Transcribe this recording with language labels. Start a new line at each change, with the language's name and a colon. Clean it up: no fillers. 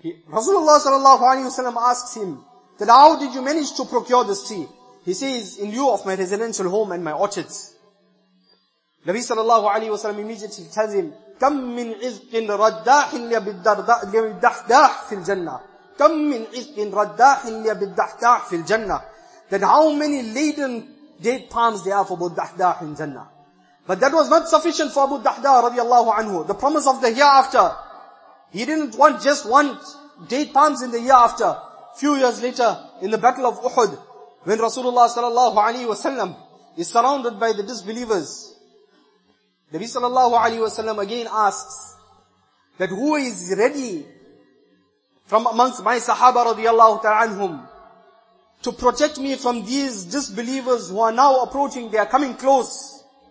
English: Rasulullah sallallahu alayhi wa sallam asks him that, how did you manage to procure this tree? He says, in lieu of my residential home and my orchards. Nabi sallallahu alayhi wa sallam immediately tells him,
Arabic: كم من عزق رداح لبالدحداح في الجنة. كم من عزق رداح لبالدحداح في الجنة.
English: Then how many laden date palms there are for Abu Dahdah in Jannah. But that was not sufficient for Abu Dahdah radiallahu anhu. The promise of the hereafter. He didn't want just one date palms in the hereafter. Few years later, in the battle of Uhud, when Rasulullah sallallahu alayhi wa sallam is surrounded by the disbelievers, Nabi sallallahu alayhi wa sallam again asks that, who is ready from amongst my sahaba radiallahu ta'ala anhum to protect me from these disbelievers who are now approaching, they are coming close.